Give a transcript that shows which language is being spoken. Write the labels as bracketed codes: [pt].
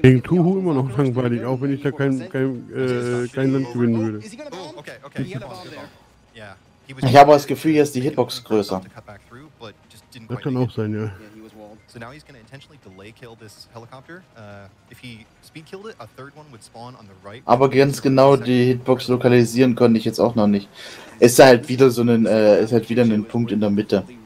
[de] Gegen Tuhu immer noch langweilig, auch wenn ich da kein Land gewinnen würde. Ich habe das Gefühl, hier ist die Hitbox größer. Das kann auch sein, ja. [en] So now he's gonna intentionally delay kill this helicopter. If he speed killed it, a third one would spawn on the right. [de] Aber ganz genau die Hitbox lokalisieren konnte ich jetzt auch noch nicht. Ist halt wieder so ein ist halt wieder ein Punkt in der Mitte.